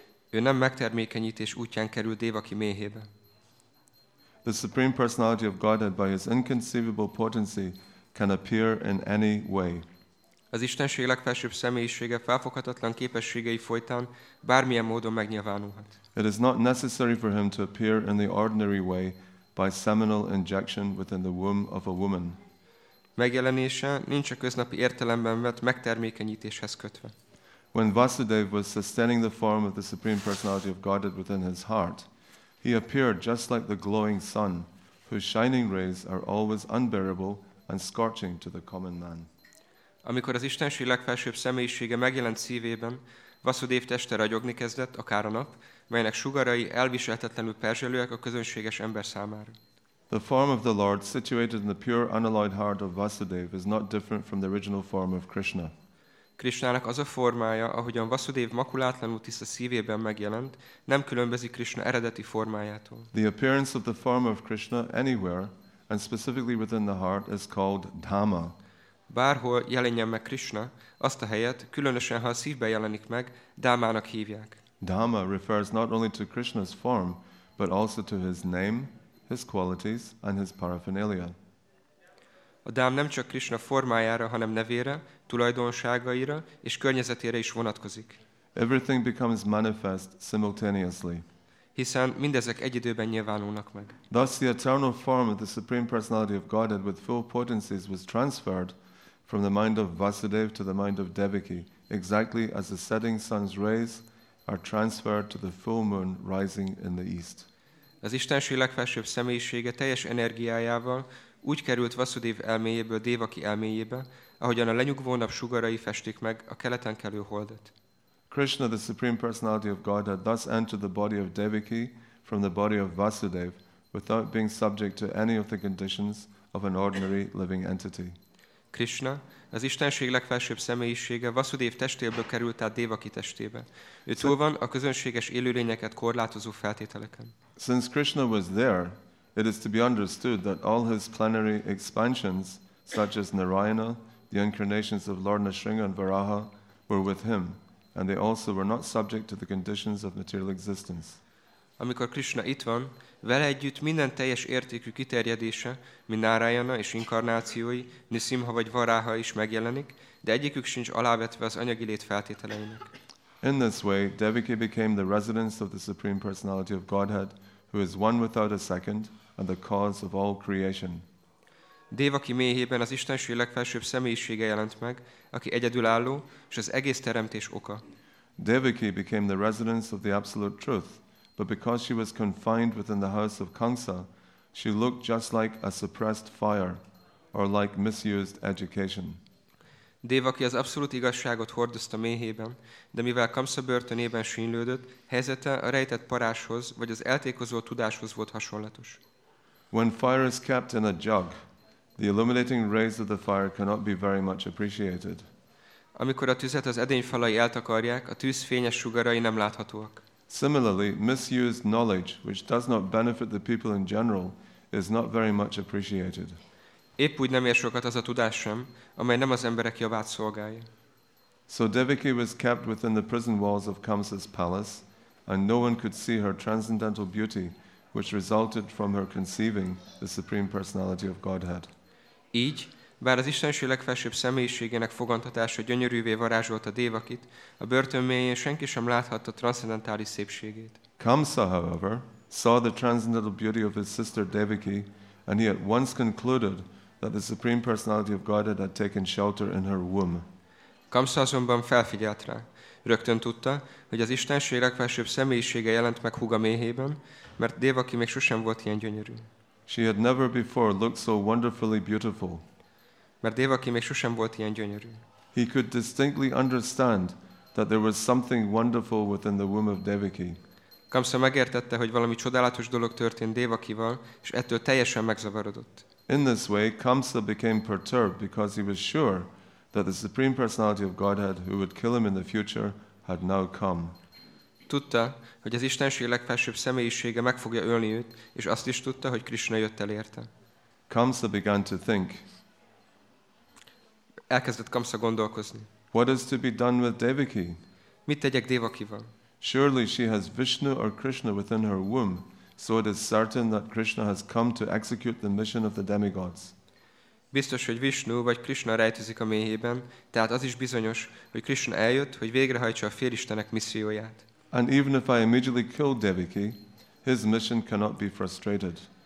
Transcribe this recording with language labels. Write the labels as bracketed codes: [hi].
[hu] Ő nem megtermékenyítés útján került Devaki méhébe. [en] The Supreme Personality of Godhead by his inconceivable potency can appear in any way. [hu] Az Istenség legfelsőbb személyisége felfoghatatlan képességei folytán bármilyen módon megnyilvánulhat. [en] It is not necessary for him to appear in the ordinary way by seminal injection within the womb of a woman. [hu] Megjelenése nincs a köznapi értelemben vett megtermékenyítéshez kötve. [en] When Vasudeva was sustaining the form of the Supreme Personality of Godhead within his heart, he appeared just like the glowing sun, whose shining rays are always unbearable and scorching to the common man. [hu] Amikor az Istenség legfelsőbb személyisége megjelent szívében, Vasudév teste ragyogni kezdett, akár a nap, melynek sugarai elviselhetetlenül perzselőek a közönséges ember számára. [en] The form of the Lord situated in the pure unalloyed heart of Vasudev is not different from the original form of Krishna. [hu] Krishnának az a formája, ahogyan Vasudev makulátlanul tiszta szívében megjelent, nem különbözik Krishna eredeti formájától. [en] The appearance of the form of Krishna anywhere and specifically within the heart is called dhamma. [hu] Bárhol jelenjen meg Krishna, azt a helyet, különösen ha a szívben jelenik meg, dhamának hívják. [en] Dhamma refers not only to Krishna's form, but also to his name, his qualities and his paraphernalia. [hu] A dhamma nem csak Krishna formájára, hanem nevére, tulajdonságaira és környezetére is vonatkozik. [en] Everything becomes manifest simultaneously. [hu] Hiszen mindezek egy időben nyilvánulnak meg. [en] Thus the eternal form of the Supreme Personality of Godhead with full potencies was transferred from the mind of Vasudev to the mind of Devaki, exactly as the setting sun's rays are transferred to the full moon rising in the east. [hu] Az Istenség legfelsőbb személyisége teljes energiájával úgy került Vasudev elméjéből Devaki elméjébe, ahogyan a lenyugvó nap sugarai festik meg a keleten kelő holdat. [en] Krishna, the Supreme Personality of Godhead, thus entered the body of Devaki from the body of Vasudev without being subject to any of the conditions of an ordinary living entity. [hu] Krishna, az Istenség legfelsőbb személyisége Vasudev testéből került át Devaki testébe. Ő túl van a közönséges élőlényeket korlátozó feltételeken. [en] Since Krishna was there, it is to be understood that all his plenary expansions, such as Narayana, the incarnations of Lord Nrisimha and Varaha, were with him, and they also were not subject to the conditions of material existence. [hu] Amikor Krishna itt van, vele együtt minden teljes értékű kiterjedése, mint Narayana és inkarnációi, Nrisimha vagy Varaha is megjelenik, de egyikük sincs alávetve az anyagi lét feltételeinek. [en] In this way, Devaki became the residence of the Supreme Personality of Godhead, who is one without a second and the cause of all creation. [hu] Devaki méhében az Istenség legfelsőbb személyisége jelent meg, aki egyedülálló és az egész teremtés oka. [en] Devaki became the residence of the Absolute Truth, but because she was confined within the house of Kamsa, she looked just like a suppressed fire or like misused education. [hu] Devaki az abszolút igazságot hordozta méhében, de mivel Kamsa börtönében sínlődött, helyzete a rejtett paráshoz vagy az eltékozó tudáshoz volt hasonlatos. [en] When fire is kept in a jug, the illuminating rays of the fire cannot be very much appreciated. [hu] Amikor a tüzet az edény falai eltakarják, a tűz fényes sugarai nem láthatóak. [en] Similarly, misused knowledge, which does not benefit the people in general, is not very much appreciated. [hu] Épp úgy nem ér sokat az a tudás sem, amely nem az emberek javát szolgálja. [en] So Devaki was kept within the prison walls of Kamsa's palace, and no one could see her transcendental beauty, which resulted from her conceiving the Supreme Personality of Godhead. [hu] Így, bár az Istenség legfelsőbb személyiségének fogantatása gyönyörűvé varázsolta Devakit, a börtön mélyén senki sem láthatta transzcendentális szépségét. [en] Kamsa, however, saw the transcendental beauty of his sister Devaki, and he at once concluded that the Supreme Personality of Godhead had taken shelter in her womb. [hu] Kamsa azonban felfigyelt rá. Rögtön tudta, hogy az Istenség legfelsőbb személyisége jelent meg húga méhében, mert Devaki még sosem volt ilyen gyönyörű. [en] She had never before looked so wonderfully beautiful. [hu] Mert Devaki még sosem volt ilyen gyönyörű. [en] He could distinctly understand that there was something wonderful within the womb of Devaki. [hu] Kamsa megértette, hogy valami csodálatos dolog történt Devakival, és ettől teljesen megzavarodott. [en] In this way, Kamsa became perturbed because he was sure that the Supreme Personality of Godhead, who would kill him in the future, had now come. [hu] Tudta, hogy az Istenség legfelsőbb személyisége meg fogja ölni őt, és azt is tudta, hogy Krishna jött el érte. [en] Kamsa began to think. [hu] Elkezdett Kamsa gondolkozni. [en] What is to be done with Devaki? [hu] Mit tegyek Devakival? [en] Surely she has Vishnu or Krishna within her womb, so it is certain that Krishna has come to execute the mission of the demigods. [hu] Biztos, hogy Vishnu vagy Krishna rejtőzik a méhében, tehát az is bizonyos, hogy Krishna eljött, hogy végrehajtsa a félistenek misszióját. [en] And even if I immediately kill Devaki, his mission cannot be frustrated.